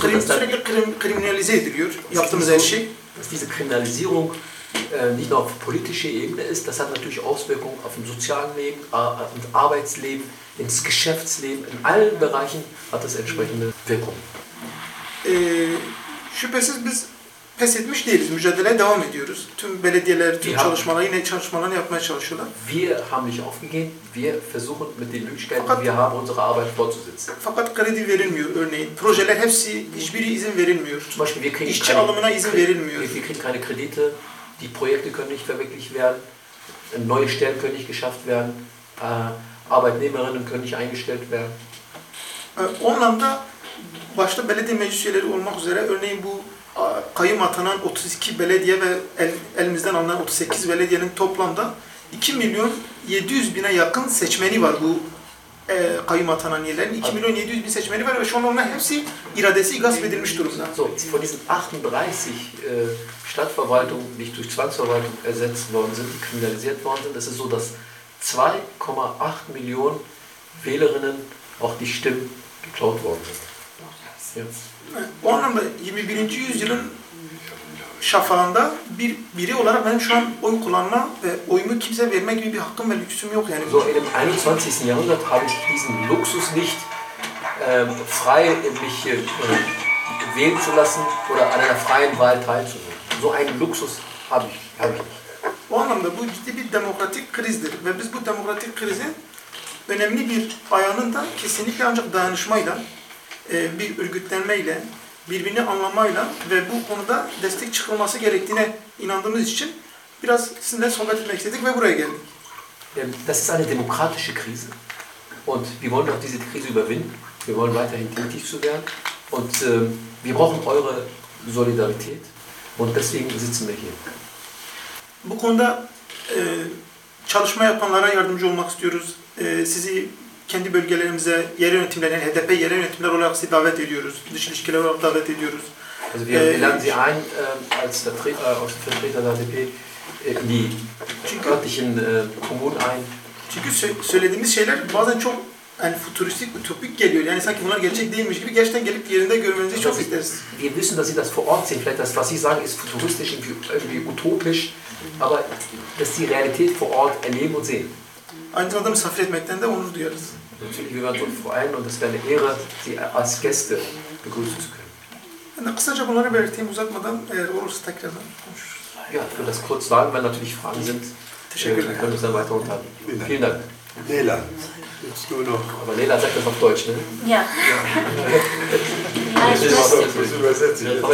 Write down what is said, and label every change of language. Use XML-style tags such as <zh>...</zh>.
<de>so, dass</de> <tr>sürekli kriminalize ediliyor yaptığımız her şey.</tr> <de>Diese Kriminalisierung nicht nur auf politischer Ebene ist, das hat natürlich Auswirkungen auf dem sozialen Leben, auf dem Arbeitsleben, ins Geschäftsleben, in allen Bereichen hat das entsprechende Wirkung.</de> <tr>Şüphesiz biz pes etmiş değiliz, mücadeleye devam ediyoruz. Tüm belediyeler, tüm çalışmalar, yine çalışmalarını yapmaya çalışıyorlar.</tr> <de>Wir haben nicht aufgegeben, wir versuchen mit den Möglichkeiten, fakat, wir haben unsere Arbeit fortzusetzen.</de> <tr>Fakat kredi verilmiyor örneğin, projeler hepsi, hiçbiri izin verilmiyor.</tr> <de>Zum Beispiel wir kriegen</de> <tr>İşçi alımına izin verilmiyor.</tr> <de>Wir kriegen keine Kredite, die Projekte können nicht verwirklicht werden, neue Stellen können nicht geschafft werden, Arbeitnehmerinnen können nicht eingestellt werden.</de> <tr>Onlamda başta belediye meclis üyeleri olmak üzere örneğin bu kayyum atanan 32 belediye ve elimizden alınan 38 belediyenin toplamda 2 milyon 700 bine yakın seçmeni var bu kayyum atanan yerlerin. 2 milyon 700 bin seçmeni var ve şu an onların hepsi iradesi gasp edilmiş durumda.</tr> <de>So, von diesen 38 Stadtverwaltung nicht durch Zwangsverwaltung ersetzt worden sind, die kriminalisiert worden sind, das ist so, dass 2,8 Millionen Wählerinnen auch die Stimmen geklaut worden sind.</de> <tr>Ja. O anlamda 21. yüzyılın şafağında biri olarak benim şu an oy kullanma ve oyumu kimse verme gibi bir hakkım ve lüksüm yok yani.</tr> <de>So, in dem 21. Jahrhundert habe ich diesen Luxus nicht, frei mich wählen zu lassen oder an einer freien Wahl teilzunehmen. So einen Luxus habe ich nicht.</de> <tr>O anlamda bu ciddi bir demokratik krizdir ve biz bu demokratik krizin önemli bir ayağında kesinlikle ancak dayanışmayla, bir örgütlenmeyle, birbirini anlamayla ve bu konuda destek çıkılması gerektiğine inandığımız için biraz sizinle sohbet etmek istedik ve buraya geldik.</tr> <de>Das ist eine demokratische Krise und wir wollen auch diese Krise überwinden. Wir wollen weiterhin tätig zu werden und wir brauchen eure Solidarität und deswegen sitzen wir hier.</de> <tr>Bu konuda çalışma yapanlara yardımcı olmak istiyoruz. Sizi kendi bölgelerimize yer yönetimler, yani HDP yer yönetimler olarak sizi davet ediyoruz. Dış ilişkiler olarak davet ediyoruz.</tr> <de>Also wir laden Sie ein als Vertreter der HDP in die örtlichen Kommunen ein.</de> <tr>Çünkü söylediğimiz şeyler bazen çok yani futuristik, ütopik geliyor. Yani sanki bunlar gerçek değilmiş gibi gerçekten gelip yerinde görmenizi çok isteriz.</tr> <de>Wir wissen, dass Sie das vor Ort sehen. Vielleicht das, was Sie sagen, ist futuristisch, irgendwie utopisch. Aber dass Sie Realität vor Ort erleben und sehen.</de> <tr>Aynı zamanda misafir etmekten de onur duyarız.</tr> <de>Natürlich, wir werden uns freuen und es wäre eine Ehre, Sie als Gäste begrüßen zu können.</de> <tr>Ben kısaca bunları belirteyim uzatmadan, eğer olursa tekrardan konuşuruz.</tr> <de>Ja, ich würde das kurz sagen, weil natürlich Fragen sind.</de> <tr>Teşekkür ederim.</tr> <de>Wir können uns dann weiter unterhalten. Vielen Dank. Leyla. Jetzt nur noch. Aber Leila sagt das auf Deutsch, ne? Ja. Ja. Ich möchte mich auch übersetzt.</de>